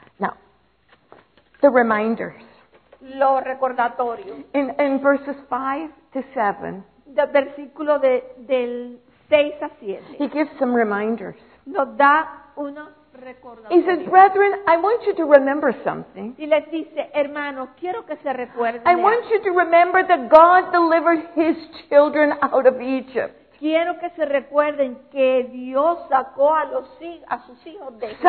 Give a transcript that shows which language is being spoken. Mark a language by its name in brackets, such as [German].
[English] Now, the reminders. [Spanish] Lo recordatorio. [English] In verses 5-7. [Spanish] The versículo del 6-7. [English] He gives some reminders. [Spanish] Nos da unos recordatorios. [English] He says, "Brethren, I want you to remember something." [Spanish] Y les dice, hermanos, quiero que se recuerden. [English] I want you to remember that God delivered His children out of Egypt. [Spanish] Quiero que se recuerden que Dios sacó a sus hijos de Egipto.